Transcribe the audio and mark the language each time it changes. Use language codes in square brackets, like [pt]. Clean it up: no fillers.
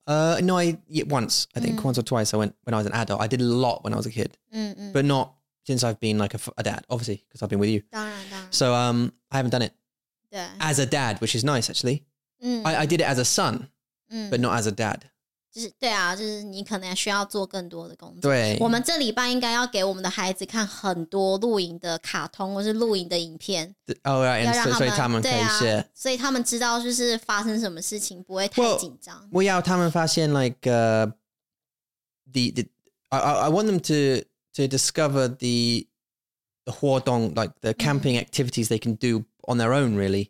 [en] Once or twice I went when I was an adult. I did a lot when I was a kid, but not since I've been like a dad, obviously, because I've been with you. [zh] 当然。 [en] So I haven't done it as a dad, which is nice, actually. I did it as a son, but not as a dad. [zh] 就是对啊，就是你可能需要做更多的工作。对，我们这礼拜应该要给我们的孩子看很多露营的卡通或是露营的影片。 [en] 哦、oh, right, ， [zh] 要让他们对啊可以，所以他们知道就是发生什么事情不会太紧张。 [en] Well, [zh] 我要他们发现 [en] like I want them to discover the 活动 like the camping activities they can do on their own really.